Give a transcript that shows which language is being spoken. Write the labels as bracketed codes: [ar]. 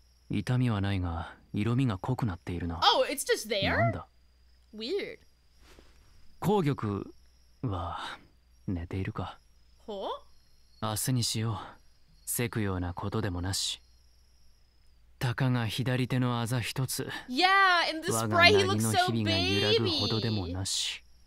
[ja] 痛みはないが、色味が濃くなっているな。 [en] Oh, it's just there? [ja] なんだ。 [en] Weird. [ja] 紅玉は寝ているか。ほ？明日にしよう。せくようなことでもなし。たかが左手のあざ一つ。 [en] Yeah, in the spray he looks so baby. [ja] 我が薙の日々が揺らぐほどでもなし。